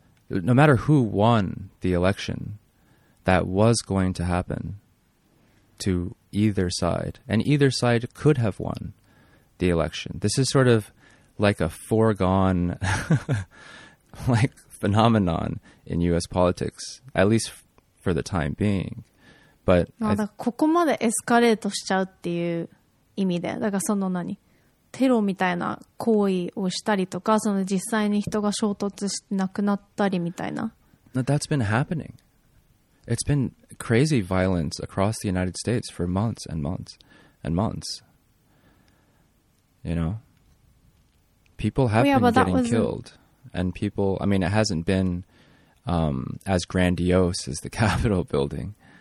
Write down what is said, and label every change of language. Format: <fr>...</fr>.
<en>No matter who won the election, that was going to happen to either side. And either side could have won the election. This is sort of like a foregone like phenomenon in US politics, at least for the time being. But</en> <ja>ここまでエスカレートしちゃうっていう意味で、だからその何? テロみたいな行為をしたりとか、その実際に人が衝突して亡くなったりみたいな。</ja> <en>That's been happening. It's been crazy violence across the United States for months and months and months. You know? People have been getting killed. And people, I mean, it hasn't been as grandiose as the Capitol building.</en>